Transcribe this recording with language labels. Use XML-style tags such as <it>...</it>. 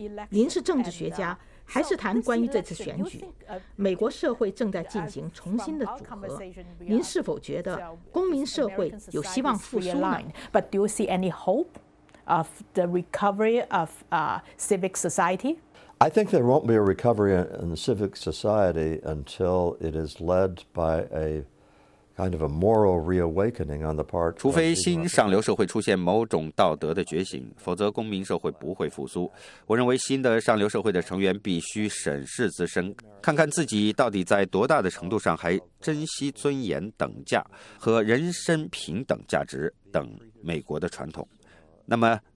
<zh>您是政治学家还是谈关于这次选举，美国社会正在进行重新的组合，您是否觉得公民社会有希望复苏呢？</zh> <en>But do you see any hope of the recovery of civic society? I think there won't be a recovery in the civic society until it is led by a kind of a moral reawakening on the part.</en> <zh>除非新上流社会出现某种道德的觉醒，否则公民社会不会复苏。我认为新的上流社会的成员必须审视自身，看看自己到底在多大的程度上还珍惜尊严等价和人身平等价值等美国的传统。那么。</zh>